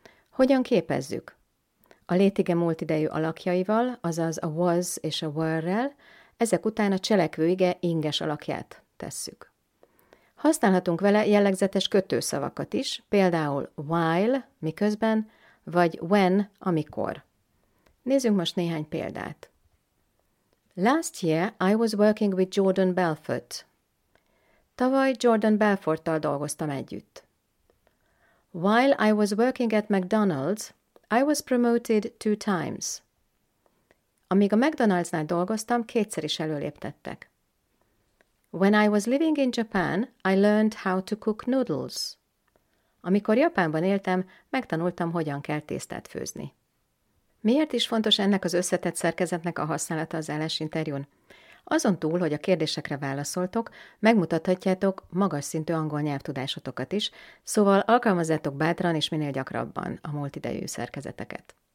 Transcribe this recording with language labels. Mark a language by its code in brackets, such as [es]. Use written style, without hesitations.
[hu] Hogyan képezzük? A létige múltidejű alakjaival, azaz a was és a were-rel, ezek után a cselekvőige inges alakját tesszük. Használhatunk vele jellegzetes kötőszavakat is, például while, miközben, vagy when, amikor. Nézzünk most néhány példát. [en] Last year I was working with Jordan Belfort. [hu] Tavaly Jordan Belforttal dolgoztam együtt. [en] While I was working at McDonald's, I was promoted 2 times. [hu] Amíg a McDonald's-nál dolgoztam, 2 is előléptettek. [en] When I was living in Japan, I learned how to cook noodles. [hu] Amikor Japánban éltem, megtanultam, hogyan kell tésztát főzni. Miért is fontos ennek az összetett szerkezetnek a használata az állásinterjún? Azon túl, hogy a kérdésekre válaszoltok, megmutathatjátok magas szintű angol nyelvtudásotokat is, szóval alkalmazzátok bátran és minél gyakrabban a múltidejű szerkezeteket.